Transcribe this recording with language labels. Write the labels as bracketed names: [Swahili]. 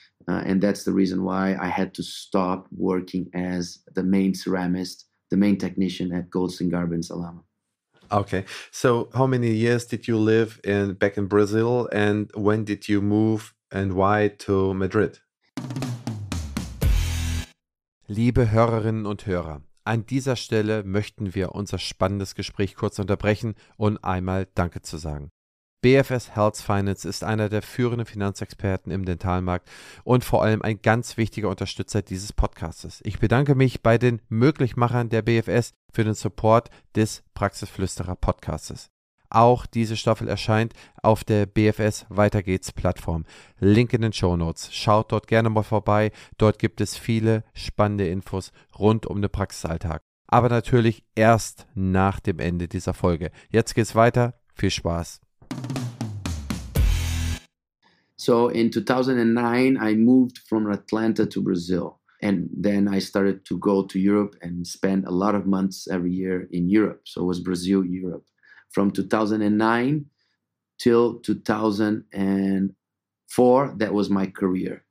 [English] And that's the reason why I had to stop working as the main ceramist, the main technician at Goldstein Garben Salama. Okay. So how many years did you live in back in Brazil and when did you move and why to Madrid? [German] Liebe Hörerinnen und Hörer, an dieser Stelle möchten wir unser spannendes Gespräch kurz unterbrechen und einmal Danke zu sagen. BFS Health Finance ist einer der führenden Finanzexperten im Dentalmarkt und vor allem ein ganz wichtiger Unterstützer dieses Podcasts. Ich bedanke mich bei den Möglichmachern der BFS für den Support des Praxisflüsterer Podcasts. Auch diese Staffel erscheint auf der BFS Weitergeht's Plattform. Link in den Shownotes. Schaut dort gerne mal vorbei. Dort gibt es viele spannende Infos rund um den Praxisalltag. Aber natürlich erst nach dem Ende dieser Folge. Jetzt geht's weiter. Viel Spaß. [English] So in 2009, I moved from Atlanta to Brazil. And then I started to go to Europe and spend a lot of months every year in Europe. So it was Brazil, Europe. From 2009 till 2004, that was my career.